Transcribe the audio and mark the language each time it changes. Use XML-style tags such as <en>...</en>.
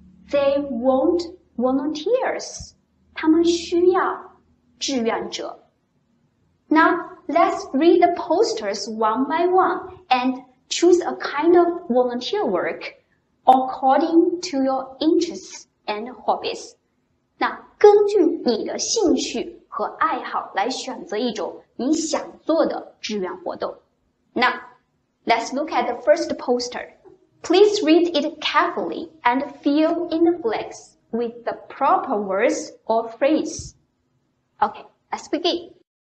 <en>They want volunteers.</en> <zh>他们需要志愿者。</zh> <en>Now, let's read the posters one by one. And choose a kind of volunteer work according to your interests and hobbies.</en> <zh>那根据你的兴趣和爱好来选择一种你想做的志愿活动。</zh> <en>Now, let's look at the first poster. Please read it carefully and fill in the blanks with the proper words or phrase. Okay, let's begin.</en>